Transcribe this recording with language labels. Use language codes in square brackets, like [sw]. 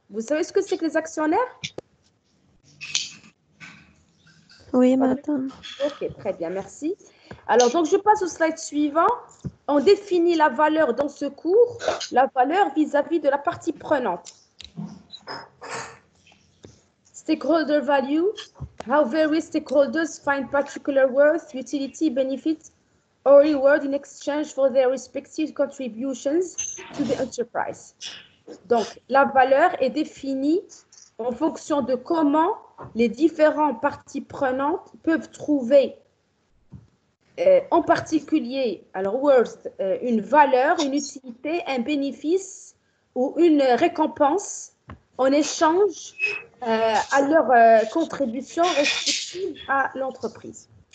[fr] Vous savez ce que c'est que les actionnaires? Oui, madame. Ok, très bien, merci. Alors, donc, je passe au slide suivant. On définit la valeur dans ce cours, la valeur vis-à-vis de la partie prenante. [en] Stakeholder value, how various stakeholders find particular worth, utility, benefit, or reward in exchange for their respective contributions to the enterprise. [fr] Donc, la valeur est définie en fonction de comment les différentes parties prenantes peuvent trouver en particulier, alors worth, une valeur, une utilité, un bénéfice ou une récompense en échange à leur contribution respective à l'entreprise.